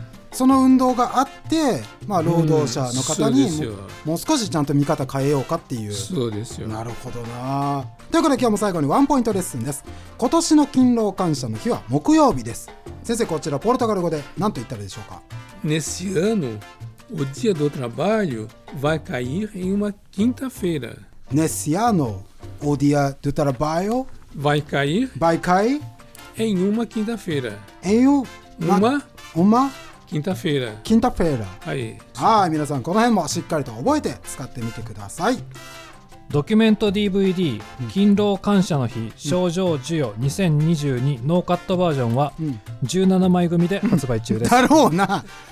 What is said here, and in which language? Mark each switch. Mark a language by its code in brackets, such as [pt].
[ja] その運動があって、労働者の方にもう少しちゃんと見方変えようかっていう。そうですよ。なるほどな。ということで今日も最後にワンポイントレッスンです。今年の勤労感謝の日は木曜日です。先生こちらポルトガル語で何と言ったらいいでしょうか。 [pt] Nesse ano o dia do trabalho vai cair em uma quinta-feira. Nesse ano o dia do trabalho vai cair em uma quinta-feira. Em uma quinta-feira. Quinta-feira. [ja] はい。はい、皆さんこの辺もしっかりと覚えて使ってみてください。ドキュメント DVD 勤労感謝の日賞状授与2022ノーカットバージョンは17枚組で発売中です。だろうな。